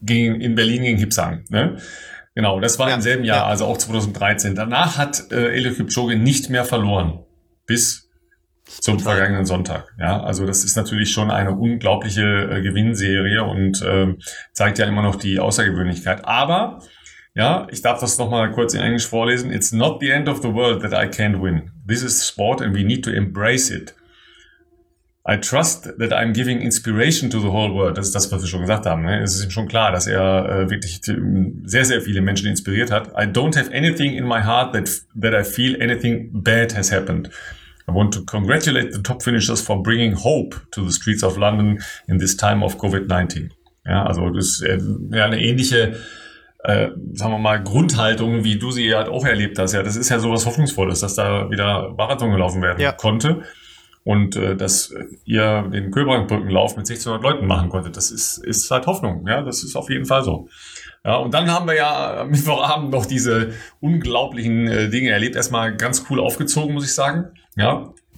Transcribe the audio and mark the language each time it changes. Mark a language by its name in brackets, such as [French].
[German] In Berlin gegen Kipsang, ne? Genau, das war ja im selben Jahr, ja, also auch 2013. Danach hat Eliud Kipchoge nicht mehr verloren, bis zum total vergangenen Sonntag, ja. Also das ist natürlich schon eine unglaubliche Gewinnserie und zeigt ja immer noch die Außergewöhnlichkeit, aber... Ja, ich darf das nochmal kurz in Englisch vorlesen. [English] It's not the end of the world that I can't win. This is sport and we need to embrace it. I trust that I'm giving inspiration to the whole world. [German] Das ist das, was wir schon gesagt haben. Ne? Es ist ihm schon klar, dass er wirklich sehr, sehr viele Menschen inspiriert hat. [English] I don't have anything in my heart that I feel anything bad has happened. I want to congratulate the top finishers for bringing hope to the streets of London in this time of COVID-19. [German] Ja, also das ist ja eine ähnliche... sagen wir mal, Grundhaltung, wie du sie halt auch erlebt hast. Ja, das ist ja sowas Hoffnungsvolles, dass da wieder Marathon gelaufen werden konnte und dass ihr den Köbrangbrückenlauf mit 1600 Leuten machen konntet. Das ist halt Hoffnung. Ja, das ist auf jeden Fall so. Ja, und dann haben wir ja Mittwochabend noch diese unglaublichen Dinge erlebt. Erstmal ganz cool aufgezogen, muss ich sagen. Ja.